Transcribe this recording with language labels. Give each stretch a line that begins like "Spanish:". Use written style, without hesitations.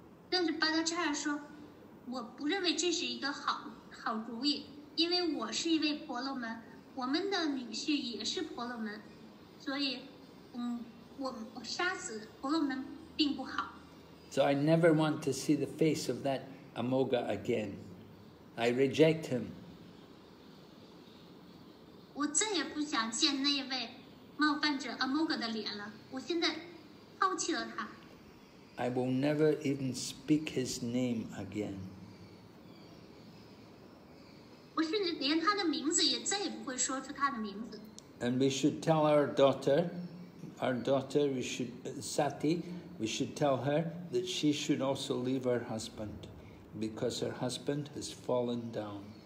Chinese: 但是 Bhattacharya 说，我不认为这是一个好主意，因为我是一位婆罗门，我们的女婿也是婆罗门，所以，我杀死婆罗门并不好。
English: So I never want to see the face of that Amoga again. I reject him.
Chinese: 我再也不想见那位冒犯者 Amoga 的脸了。我现在抛弃了他。
English: I will never even speak his name again.
Chinese: 我甚至连他的名字也再也不会说出他的名字。
English: And we should tell our daughter, we should, Sati, we should tell her that she should also leave her husband because her husband has fallen down.